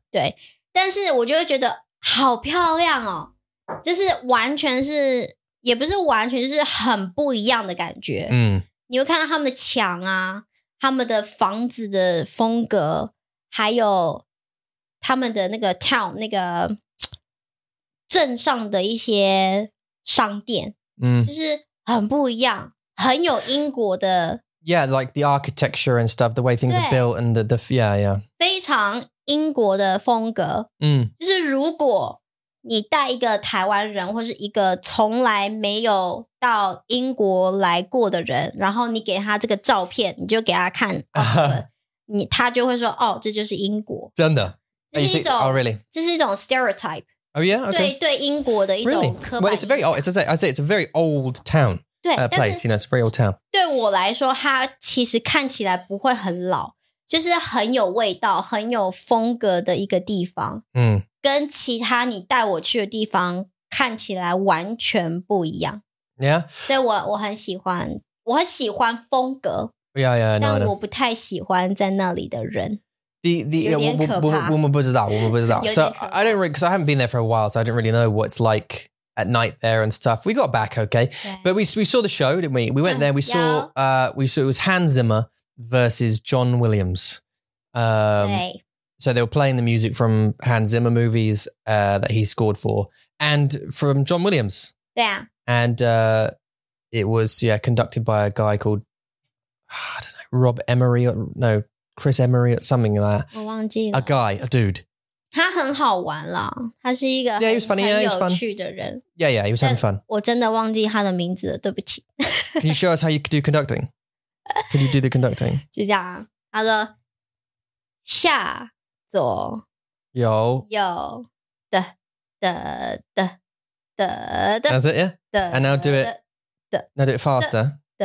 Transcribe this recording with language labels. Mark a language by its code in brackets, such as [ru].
[zh] 对, 但是我就会觉得好漂亮哦, 就是完全是, 也不是完全, 就是很不一样的感觉, 你会看到他们的墙啊, 他们的房子的风格, 还有他们的那个 town 那个镇上的一些商店, 就是很不一样，很有英国的. [en] Yeah, like the architecture and stuff, the way things are built and the [zh] 非常英国的风格. 就是如果你带一个台湾人或是一个从来没有到英国来过的人，然后你给他这个照片，你就给他看 Oxford， 你他就会说哦，这就是英国，真的，这是一种 [en] oh really， [zh] 这是一种 stereotype。 [en] Oh yeah， okay. [zh] 对对，英国的一种刻板印象。 [en] Well, it's a very old. It's a, I say it's a very old town. [zh] 对、 [en] place, [zh] 但是 [en] you know, it's a very old town. [zh] 对我来说，它其实看起来不会很老，就是很有味道、很有风格的一个地方。嗯，跟其他你带我去的地方看起来完全不一样。 [en] Yeah. [zh] 所以我很喜欢，我很喜欢风格。 [en] Yeah, yeah. [zh] 但我不太喜欢在那里的人。 [en] So I don't really, because I haven't been there for a while, so I don't really know what it's like at night there and stuff. We got back, okay. But we saw the show, didn't we? We went there, we saw it was Hans Zimmer versus John Williams. So they were playing the music from Hans Zimmer movies that he scored for and from John Williams. Yeah. And it was, yeah, conducted by a guy called, I don't know, Rob Emery, or no. Chris Emery or something like that. [zh] 我忘记了。 [en] A guy, a dude. [zh] 他很好玩啦。他是一个 [en] yeah, he was funny, [zh] 很 [en] yeah, [zh] 有趣的人。 [en] Yeah, yeah, he was having fun. [zh] 我真的忘记他的名字了，对不起。 [en] Can you show us how you do conducting? Can you do the conducting? [zh] 就这样啊。他说下左右右的的的的的 [en] That's it, yeah? And now do it. Now do it faster.